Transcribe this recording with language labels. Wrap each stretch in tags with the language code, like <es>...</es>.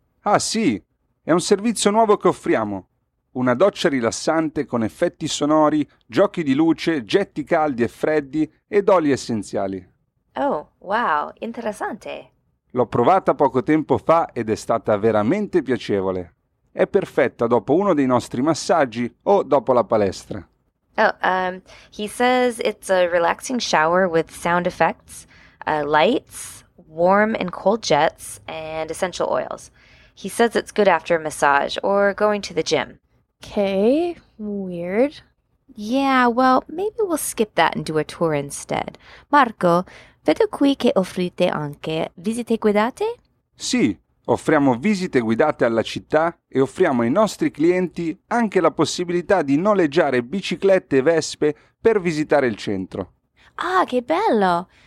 <it>Ah sì, è un servizio nuovo che offriamo. Una doccia rilassante con effetti sonori, giochi di luce, getti caldi e freddi ed oli essenziali. Oh, wow, interessante. L'ho provata poco tempo fa ed è stata veramente piacevole. È perfetta dopo uno dei nostri massaggi o dopo la palestra.</it> <en>He says it's a relaxing shower with sound effects, lights, warm and cold jets, and essential oils. He says it's good after a massage or going to the gym. Okay, weird. Yeah, well, maybe we'll skip that and do a tour instead.</en> <it>Marco, vedo qui che offrite anche visite guidate? Sì. Offriamo visite guidate alla città e offriamo ai nostri clienti anche la possibilità di noleggiare biciclette e vespe per visitare il centro. Ah, che bello!</it>